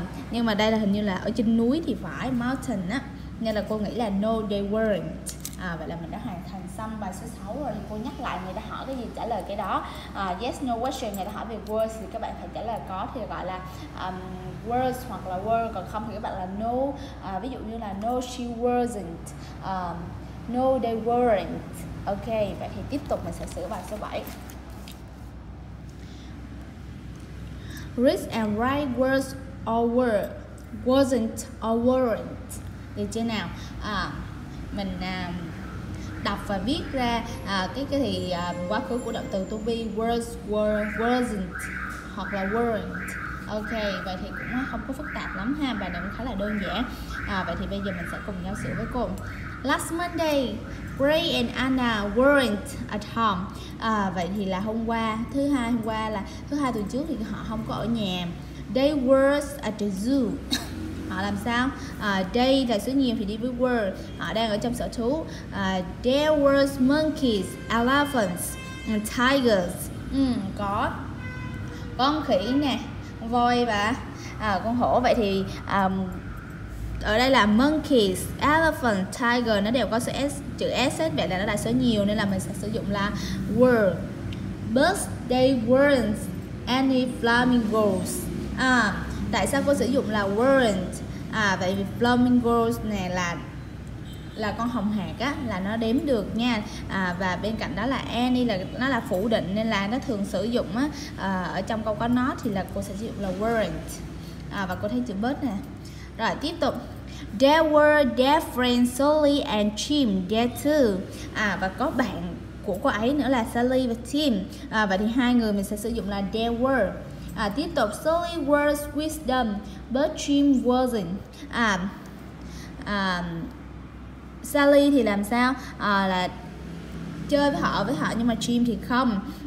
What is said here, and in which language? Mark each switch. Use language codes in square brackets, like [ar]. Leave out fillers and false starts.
[vi] Nhưng mà đây là hình như là ở trên núi thì phải, mountain á, nên là cô nghĩ là [en] no they weren't. [vi] Vậy là mình đã hoàn thành xong bài số 6 rồi. Cô nhắc lại người ta hỏi cái gì trả lời cái đó. Yes no question, người ta hỏi về words thì các bạn phải trả lời có thì gọi là words hoặc là were, còn không thì các bạn là no. Ví dụ như là [en] no she wasn't, no they weren't. [vi] Ok, vậy thì tiếp tục mình sẽ sửa bài số 7. [en] Read and write words or were, wasn't or weren't. [vi] Được chưa nào? Mình đọc và viết ra cái thì quá khứ của động từ to be, was, were, wasn't hoặc là weren't. Ok, vậy thì cũng không có phức tạp lắm ha, bài này cũng khá là đơn giản. Vậy thì bây giờ mình sẽ cùng nhau sửa với cô. [en] Last Monday, Gray and Anna weren't at home. [vi] Vậy thì là hôm qua, thứ hai hôm qua là thứ hai tuần trước thì họ không có ở nhà. [en] They were at the zoo. [vi] Họ làm sao? They là số nhiều thì đi với were. Họ đang ở trong sở thú. [en] There were monkeys, elephants, and tigers. [vi] Có con khỉ nè, voi và con hổ. Vậy thì ở đây là monkeys, elephant, tiger, nó đều có số S, chữ S hết, vậy là nó là số nhiều nên là mình sẽ sử dụng là were. [en] But they weren't any flamingos. [vi] Tại sao cô sử dụng là weren't? Vậy vì flamingos nè là con hồng hạc á, là nó đếm được nha. Và bên cạnh đó là any là nó là phủ định nên là nó thường sử dụng á, ở trong câu có not thì là cô sẽ sử dụng là weren't. Và cô thấy chữ but nè. Rồi tiếp tục. [en] There were their friends Sally and Tim there too. [vi] Và có bạn của cô ấy nữa là Sally và Tim. Vậy thì hai người mình sẽ sử dụng là there were. Tiếp tục. [en] Sally was with them but Tim wasn't. [vi] Sally thì làm sao? Là chơi với họ nhưng mà Tim thì không.